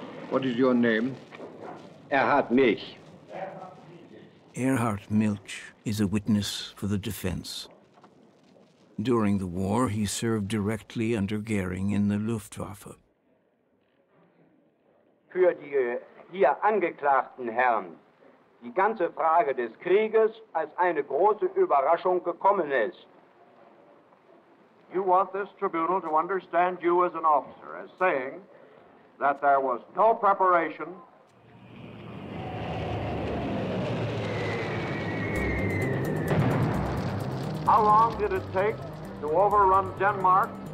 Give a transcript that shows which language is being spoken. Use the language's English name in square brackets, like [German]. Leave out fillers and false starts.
[English] What is your name? Erhard Milch. Erhard Milch is a witness for the defense. During the war, he served directly under Göring in the Luftwaffe. [German] Für die hier angeklagten Herren, die ganze Frage des Krieges als eine große Überraschung gekommen ist. [English] You want this tribunal to understand you as an officer as saying that there was no preparation. How long did it take to overrun Denmark?